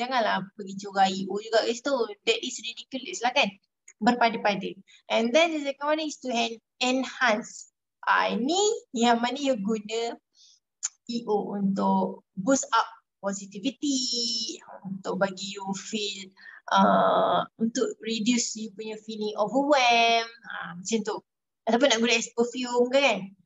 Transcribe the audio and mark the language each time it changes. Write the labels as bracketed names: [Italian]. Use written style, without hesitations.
[Malay] Janganlah pergi curah EO juga ke situ. [English] That is ridiculous lah kan. [Malay] Berpada-pada. [English] And then the second one is to enhance. [Malay] Ini yang mana you guna EO untuk [English] boost up positivity, [Malay] untuk bagi [English] you feel, [Malay] untuk [English] reduce you [Malay] punya [English] feeling overwhelmed, [Malay] macam tu. Ataupun nak guna [English] as perfume [Malay] ke kan.